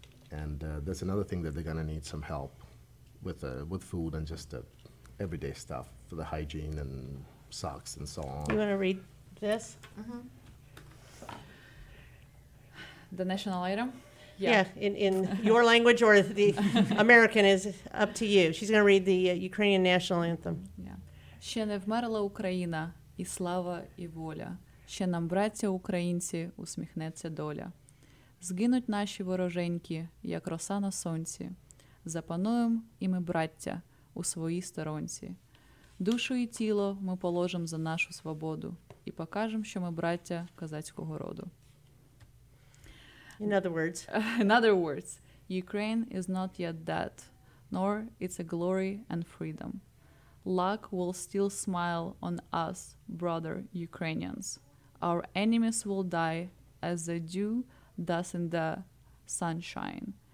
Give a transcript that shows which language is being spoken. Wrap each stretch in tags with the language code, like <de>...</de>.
<en>And that's another thing that they're going to need some help with food and just everyday stuff for the hygiene and socks and so on. You want to read this? Mm-hmm. The national item? Yeah, in your language or the American is up to you. She's going to read the Ukrainian national anthem. Yeah.</en> <uk>Ще не вмерла Україна, і слава, і воля. Ще нам, браття українці, усміхнеться доля. Згинуть наші вороженьки, як роса на сонці. Запануєм і ми, браття, у своїй сторонці. Душу і тіло ми положимо за нашу свободу і покажемо, що ми браття козацького роду.</uk> <en>In other words, Ukraine is not yet dead, nor it's a glory and freedom. Luck will still smile on us, brother Ukrainians. Our enemies will die as they do thus in the sunshine.</en>